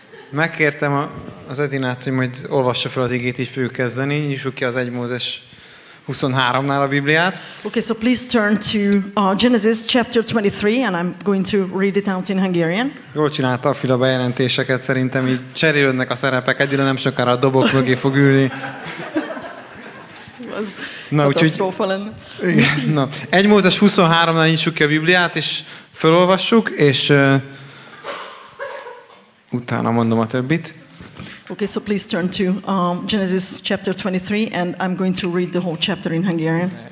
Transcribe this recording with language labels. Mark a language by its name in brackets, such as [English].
[Hungarian] Megkértem az Edinát, hogy majd olvassa fel az igét, így fogjuk kezdeni. Nyissuk ki az 1 Mózes 23-nál a Bibliát. [English] Okay, so please turn to Genesis chapter 23, and I'm going to read it out in Hungarian. [Hungarian] Jól csinálta a Fila bejelentéseket, szerintem így cserélődnek a szerepek. Edina nem sokára a dobok mögé fog ülni. Na, úgyhogy... Igen, na, 1 Mózes 23-nál nyissuk ki a Bibliát, és felolvassuk, és utána mondom a többit. [English] Okay, so please turn to Genesis chapter 23, and I'm going to read the whole chapter in Hungarian.